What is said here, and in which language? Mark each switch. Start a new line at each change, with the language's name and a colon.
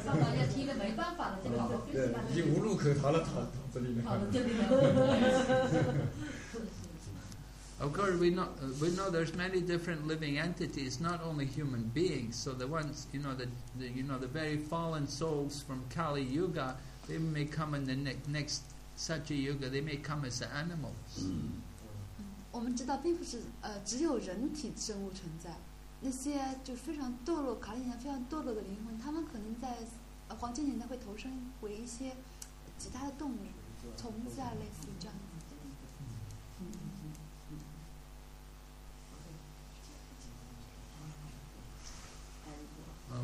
Chinese: 把玛雅踢得没办法了，就跑到这里来。已经无路可逃了，逃这里面。跑到这里来。
English: Of course, we know there's many different living entities, not only human beings. So the ones, you know, the very fallen souls from Kali Yuga, they may come in the next. Such a yoga, they may come as animals.
Chinese: 我们知道并不是只有人体生物存在，那些就非常堕落，卡利年非常堕落的灵魂，他们可能在黄金年代会投身为一些其他的动物，虫子啊，类似于这样的。